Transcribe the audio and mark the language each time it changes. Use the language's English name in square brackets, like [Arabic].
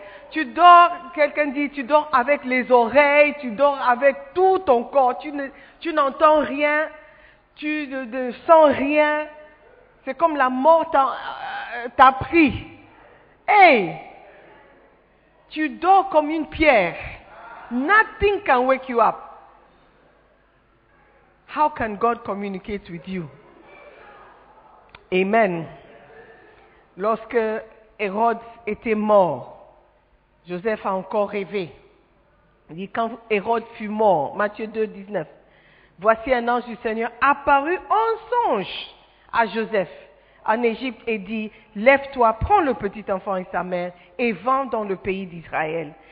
[French] Tu dors, quelqu'un dit, tu dors avec les oreilles, tu dors avec tout ton corps. Tu n'entends rien, tu ne sens rien. C'est comme la mort t'a pris. Hey, tu dors comme une pierre. [English] Nothing can wake you up. How can God communicate with you? Amen. [French] Lorsque Hérode était mort, Joseph a encore rêvé. Il dit, quand Hérode fut mort, Matthieu 2, 19, voici un ange du Seigneur apparu en songe à Joseph en Égypte et dit, lève-toi, prends le petit enfant et sa mère et va dans le pays d'Israël.